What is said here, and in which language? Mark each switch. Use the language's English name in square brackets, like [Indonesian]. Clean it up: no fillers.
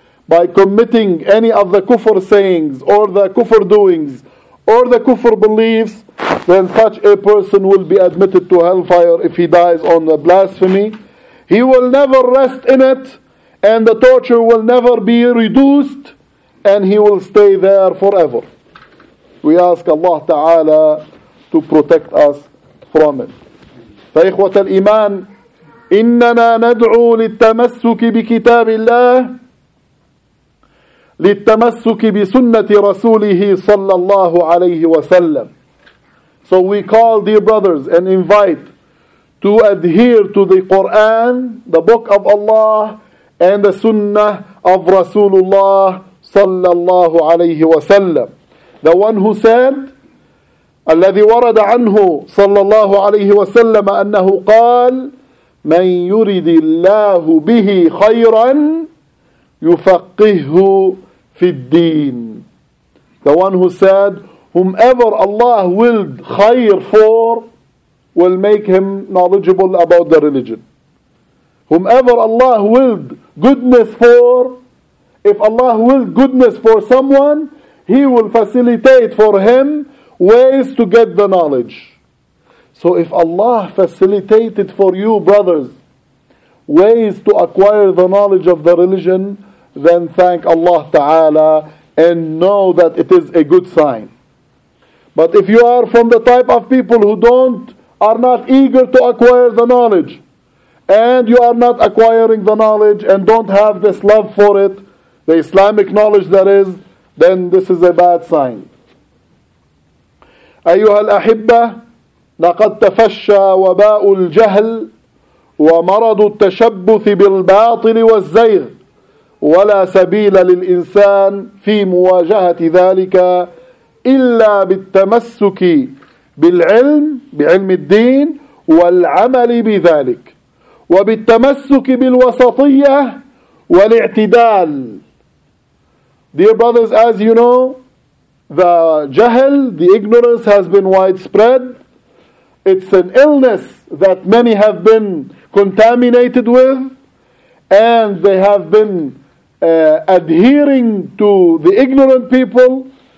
[English] By committing any of the kufr sayings, or the kufr doings, or the kufr beliefs, then such a person will be admitted to hellfire if he dies on the blasphemy. He will never rest in it, and the torture will never be reduced, and he will stay there forever. We ask Allah Ta'ala to protect us from it. [Arabic] فإخوة الإيمان, إننا ندعو للتمسك بكتاب الله للتمسك بسنة رسوله صلى الله عليه وسلم. [English] So we call, dear brothers, and invite to adhere to the Quran, the book of Allah, and the sunnah of Rasulullah [Arabic] صلى الله عليه وسلم. [English] The one who said, [Arabic] الذي ورد عنه صلى الله عليه وسلم أنه قال, من يرد الله به خيرا يفقهه في الدين. [English] The one who said, whomever Allah willed خير for will make him knowledgeable about the religion. Whomever Allah willed goodness for, if Allah willed goodness for someone, he will facilitate for him ways to get the knowledge. So if Allah facilitated for you, brothers, ways to acquire the knowledge of the religion, then thank Allah Ta'ala and know that it is a good sign. But if you are from the type of people who are not eager to acquire the knowledge, and you are not acquiring the knowledge and don't have this love for it, the Islamic knowledge that is, then this is a bad sign. [Arabic] أيها الأحبة, لقد تفشى وباء الجهل ومرض التشبث بالباطل والزيغ ولا سبيل للإنسان في مواجهة ذلك إلا بالتمسك بالعلم, بعلم الدين, والعمل بذلك, وبالتمسك بالوسطية والاعتدال. [English] Dear brothers, as you know, the jahl, the ignorance, has been widespread. It's an illness, that many have been contaminated with, and they have been adhering to the ignorant people.